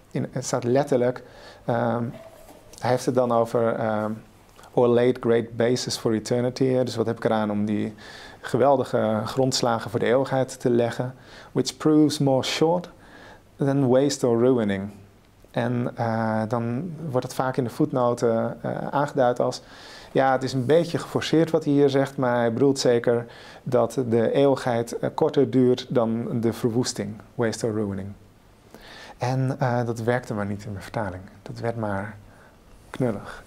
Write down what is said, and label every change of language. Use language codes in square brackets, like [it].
[nl] Het staat letterlijk, hij heeft het dan over [en] or laid great basis for eternity. [nl] Dus wat heb ik eraan om die geweldige grondslagen voor de eeuwigheid te leggen. [en] Which proves more short than waste or ruining. [nl] En dan wordt het vaak in de voetnoten aangeduid als, ja, het is een beetje geforceerd wat hij hier zegt, maar hij bedoelt zeker dat de eeuwigheid korter duurt dan de verwoesting, [en] waste or ruining. [nl] En dat werkte maar niet in mijn vertaling. Dat werd maar knullig.